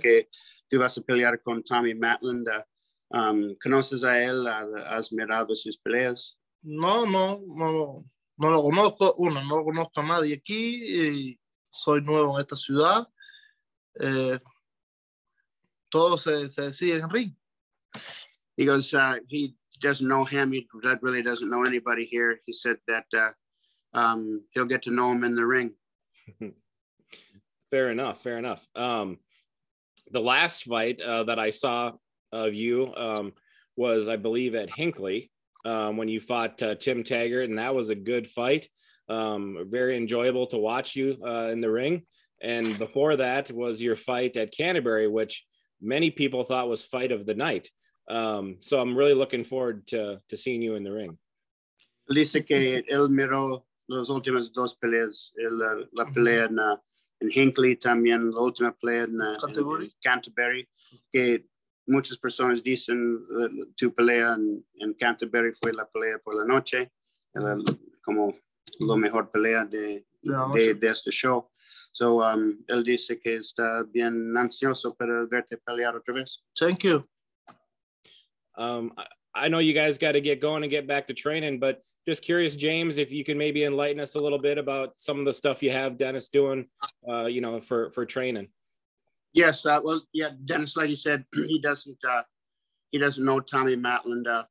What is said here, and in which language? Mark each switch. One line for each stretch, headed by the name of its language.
Spanish: Que tú vas a pelear con Tommy Matlon. ¿Conoces a él? ¿Has mirado sus peleas? No, no lo conozco, uno, no lo conozco a nadie aquí, y soy nuevo en esta ciudad. Todo se decide en ring.
English: He goes, he doesn't know him, he really doesn't know anybody here. He said that he'll get to know him in the ring. Fair enough, fair enough. The last fight that I saw of you was, I believe, at Hinckley, when you fought Tim Taggart, and that was a good fight. Very enjoyable to watch you in the ring. And before that was your fight at Canterbury, which many people thought was fight of the night. So I'm really looking forward to seeing you in the ring.
Spanish: Dice que él miró las últimas dos peleas, la pelea en Hinckley, también la última pelea en Canterbury, que muchas personas dicen tu pelea en Canterbury fue la pelea por la noche, como la mejor pelea de este show. So él dice que está bien ansioso para verte pelear otra vez.
English: Thank you. I know you guys got to get going and get back to training, but just curious, James, if you can maybe enlighten us a little bit about some of the stuff you have Dennys doing, you know, for training. Yes, Dennys, like you said, he doesn't know Tommy Matlon.